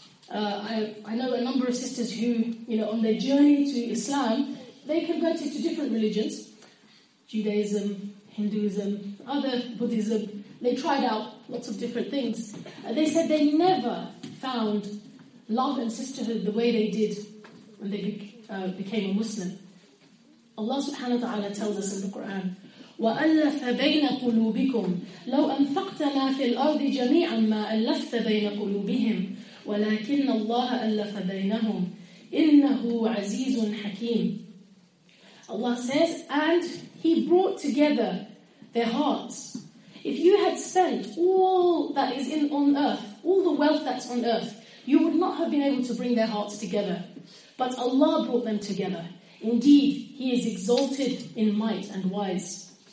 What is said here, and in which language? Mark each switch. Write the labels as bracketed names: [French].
[English] I know a number of sisters who, you know, on their journey to Islam, they converted to different religions, Judaism, Hinduism, other Buddhism. They tried out lots of different things. They said they never found love and sisterhood the way they did when they became a Muslim. Allah subhanahu wa ta'ala tells us in the Quran, [Arabic] وَأَلَّفَ بَيْنَ قُلُوبِكُمْ لَوْ أَنْفَقْتَ مَا فِي الْأَرْضِ جَمِيعًا مَا أَلَّفْتَ بَيْنَ قُلُوبِهِمْ وَلَكِنَّ اللَّهَ أَلَّفَ بَيْنَهُمْ إِنَّهُ عَزِيزٌ حَكِيمٌ. [English] Allah says, and He brought together their hearts. If you had spent all that is on earth, all the wealth that's on earth, you would not have been able to bring their hearts together. But Allah brought them together. Indeed, He is exalted in might and wise.